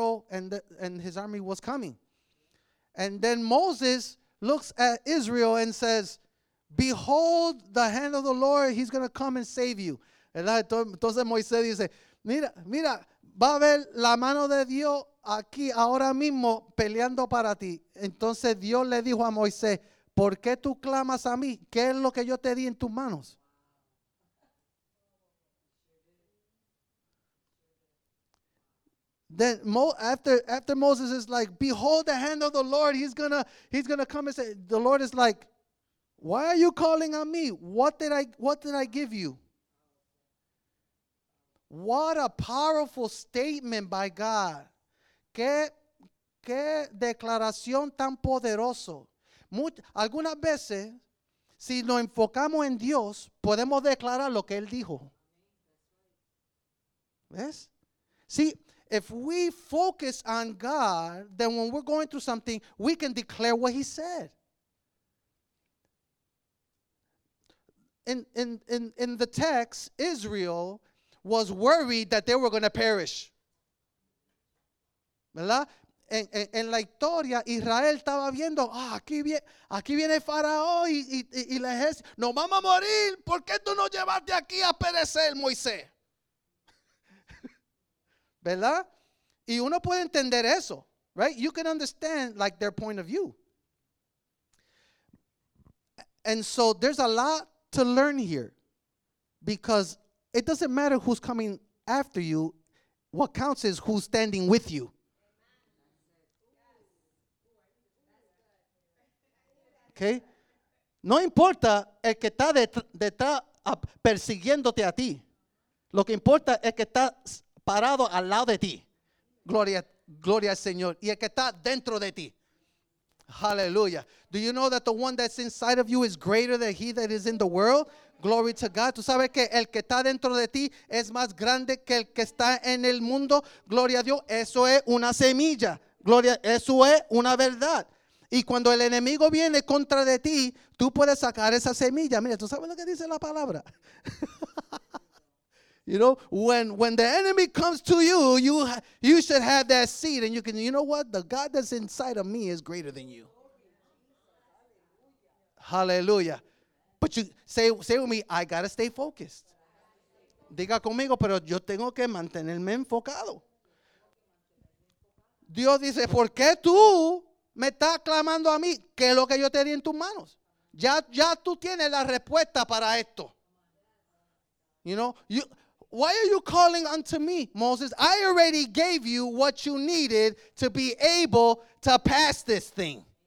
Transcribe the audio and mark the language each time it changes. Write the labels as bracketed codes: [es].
[en] And the Pharaoh and his army was coming. And then Moses looks at Israel and says, "Behold, the hand of the Lord, he's going to come and save you." [es] Entonces Moisés dice, mira, va a ver la mano de Dios aquí ahora mismo peleando para ti. Entonces Dios le dijo a Moisés, ¿por qué tú clamas a mí? ¿Qué es lo que yo te di en tus manos? [en] Then after Moses is like, "Behold the hand of the Lord, he's gonna come and say," the Lord is like, "Why are you calling on me? What did I give you?" What a powerful statement by God. [es] Qué declaración tan poderoso. Algunas veces, si nos enfocamos en Dios, podemos declarar lo que Él dijo. ¿Ves? [en] See, if we focus on God, then when we're going through something, we can declare what He said. In the text, Israel was worried that they were going to perish. [es] ¿Verdad? En la historia, Israel estaba viendo, aquí viene Faraón y la ejército. Nos vamos a morir. ¿Por qué tú no llevaste aquí a perecer, Moisés? ¿Verdad? Y uno puede entender eso, right? [en] You can understand, like, their point of view. And so there's a lot to learn here, because it doesn't matter who's coming after you. What counts is who's standing with you. Okay? [es] No importa el que está detrás persiguiéndote a ti. Lo que importa es que está parado al lado de ti. Gloria al Señor. Y el que está dentro de ti. [en] Hallelujah. Do you know that the one that's inside of you is greater than he that is in the world? Glory to God. [es] Tú sabes que el que está dentro de ti es más grande que el que está en el mundo. Gloria a Dios. Eso es una semilla. Gloria. Eso es una verdad. Y cuando el enemigo viene contra de ti, tú puedes sacar esa semilla. Mira, tú sabes lo que dice la palabra. [en] You know, when the enemy comes to you, you should have that seed, and you can, you know what? The God that's inside of me is greater than you. Hallelujah. But you say with me, I got to stay focused. [es] Diga conmigo, pero yo tengo que mantenerme enfocado. Dios dice, ¿por qué tú me estás clamando a mí? ¿Qué es lo que yo te di en tus manos? Ya tú tienes la respuesta para esto. [en] You know, why are you calling unto me, Moses? I already gave you what you needed to be able to pass this thing.